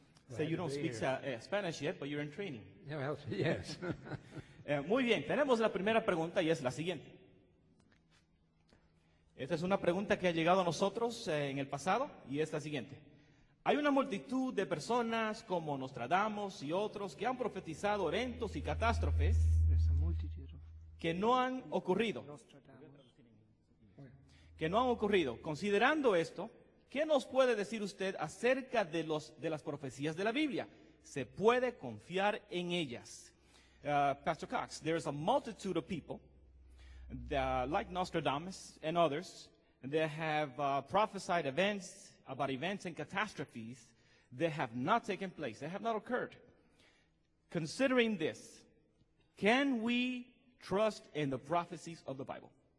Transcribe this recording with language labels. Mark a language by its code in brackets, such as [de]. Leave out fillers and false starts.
[en] So you don't speak Spanish yet, but you're in training. Yeah, well, yes. [es] Muy bien, tenemos la primera pregunta y es la siguiente. Esta es una pregunta que ha llegado a nosotros en el pasado y es la siguiente. Hay una multitud de personas como Nostradamus y otros que han profetizado eventos y catástrofes que no han ocurrido. Que no han ocurrido. Considerando esto, ¿qué nos puede decir usted acerca de las profecías de la Biblia? ¿Se puede confiar en ellas? [en] Pastor Cox, there is a multitude of people that, like Nostradamus and others, that have prophesied events about events and catastrophes that have not taken place, that have not occurred. Considering this, can we trust in the prophecies of the Bible?